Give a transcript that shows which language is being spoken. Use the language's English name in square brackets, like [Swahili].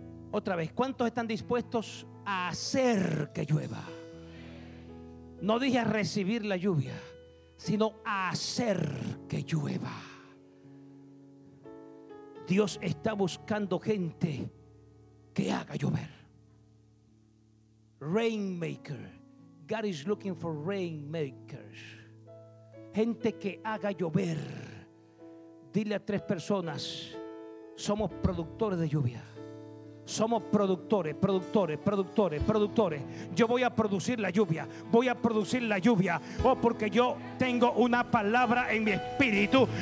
[Spanish] Otra vez, ¿cuántos están dispuestos a hacer que llueva? No dije a recibir la lluvia, sino a hacer que llueva. Dios está buscando gente que haga llover. [English] rainmaker. God is looking for rainmakers. [Spanish] Gente que haga llover. Dile a tres personas: somos productores de lluvia. Somos productores, productores, productores, productores. Yo voy a producir la lluvia. Voy a producir la lluvia. Oh, porque yo tengo una palabra en mi espíritu.